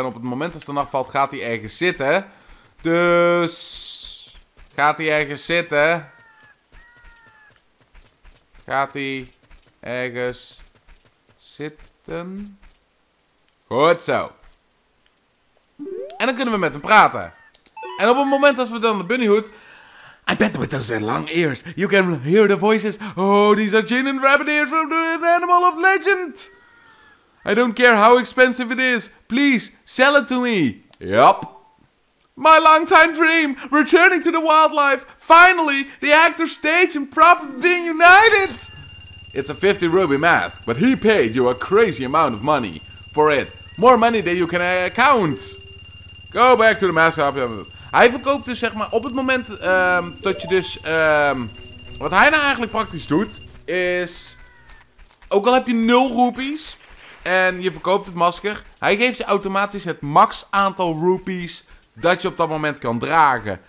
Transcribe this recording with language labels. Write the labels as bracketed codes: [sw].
[nl] En op het moment dat de nacht valt, gaat hij ergens zitten. Dus... Gaat hij ergens zitten. Gaat hij ergens zitten? Goed zo. En dan kunnen we met hem praten. En op het moment dat we dan de bunnyhoed... [en] I bet with those long ears, you can hear the voices. Oh, these are genuine rabbit ears from the Animal of Legend. I don't care how expensive it is. Please, sell it to me. Yup. My long time dream, returning to the wildlife. Finally, the actor stage and prop being united. It's a 50 ruby mask, but he paid you a crazy amount of money for it. More money than you can count. Go back to the mask shop. [nl] Hij verkoopt dus zeg maar op het moment dat je dus... wat hij nou eigenlijk praktisch doet is... Ook al heb je 0 rupees en je verkoopt het masker... Hij geeft je automatisch het max aantal rupees dat je op dat moment kan dragen.